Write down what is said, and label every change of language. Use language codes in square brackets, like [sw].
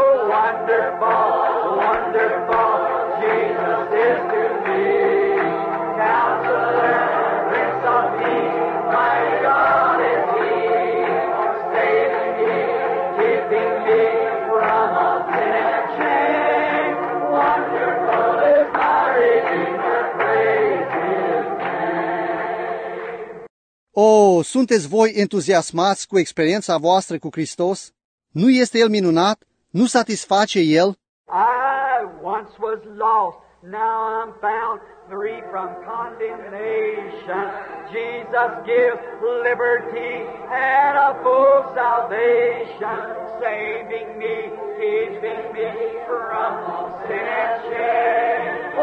[en] Wonderful, wonderful, Jesus is to me, Counselor, Prince of Peace, my God is He, saving me, keeping me from all sin and shame. Wonderful is my Redeemer, praise His name. [ro] Oh, sunteți voi entuziasmați cu experiența voastră cu Hristos? Nu este El minunat? Nu satisface El? [en] I once was lost, now I'm found, free from condemnation. Jesus gives liberty and a full salvation, saving me, keeping me from all sin and shame.